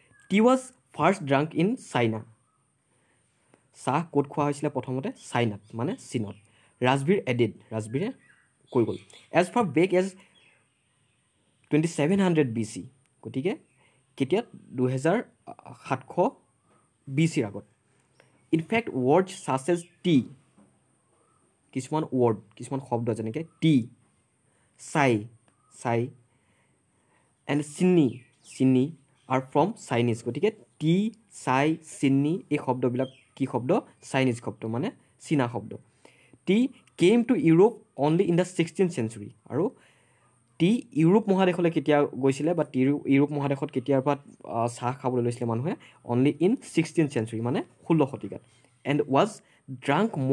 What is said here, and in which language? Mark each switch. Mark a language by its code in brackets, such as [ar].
[en] tea was first drunk in China, [as] চাহ ক'ত খোৱা হৈছিলে প্ৰথমতে, চাইনাত, মানে চীনত, [en] Rajbir added, [as] ৰাজবীৰে কৈ গ'ল, [en] as far back as 2700 BC, [as] গতিকে কেতিয়া, 2700 BC-ৰ আগত। [en] in fact word such as tea, [as] কিছুমান ৱৰ্ড, কিছুমান শব্দ যেনেকৈ টি, চাই চাই, এণ্ড চিনি চিনি, [en] are from Chinese, [as] গতিকে টি চাই চিনি এই শব্দবিলাক কি শব্দ, চাইনিজ শব্দ, মানে চীনা শব্দ। [en] tea came to Europe only in the 16th century, [as] আৰু টি ইউৰোপ মহাদেশলৈ কেতিয়া গৈছিলে বা টি ইউৰোপ মহাদেশত কেতিয়াৰ পৰা চাহ খাবলৈ লৈছিলে মানুহে, [en] only in 16th century, [as] মানে 16th শতিকাত, [en] and was drunk